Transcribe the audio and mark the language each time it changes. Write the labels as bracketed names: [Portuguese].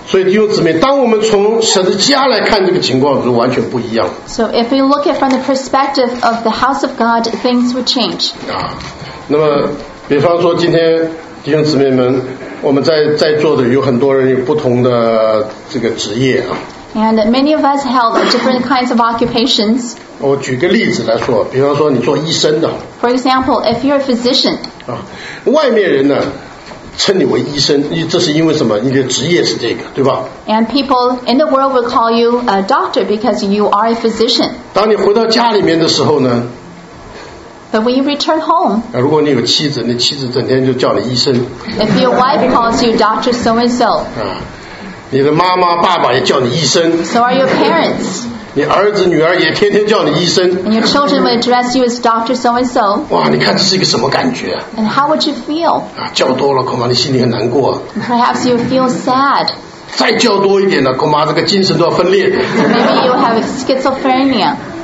[Chinese] 所以弟兄姊妹，当我们从神的家来看这个情况，就完全不一样。 [English] So if we look at from the perspective of the house of God, things would change。 [Chinese] 啊，那么比方说今天弟兄姊妹们，我们在座的有很多人有不同的这个职业啊。 [English] And many of us held different kinds of occupations. [Chinese] 我举个例子来说，比方说你做医生的。 [English] For example, if you're a physician. [Chinese] 外面人呢，称你为医生，这是因为什么？你的职业是这个，对吧？ [English] And people in the world will call you a doctor because you are a physician. [Chinese] 当你回到家里面的时候呢？ [English] But when you return home. [Chinese] 如果你有妻子，你妻子整天就叫你医生。 [English] If your wife calls you doctor so and so. [Chinese] 你的妈妈爸爸也叫你医生。 [English] So are your parents. [Chinese] 你儿子女儿也天天叫你医生。 [English] And your children will address you as doctor so and so. [Chinese] 哇，你看这是一个什么感觉啊？ [English] And how would you feel? [Chinese] 啊，叫多了恐怕你心里很难过。 [English] Perhaps you feel sad. [Chinese] 再叫多一点呢，恐怕这个精神都要分裂。 [English] Maybe you have schizophrenia.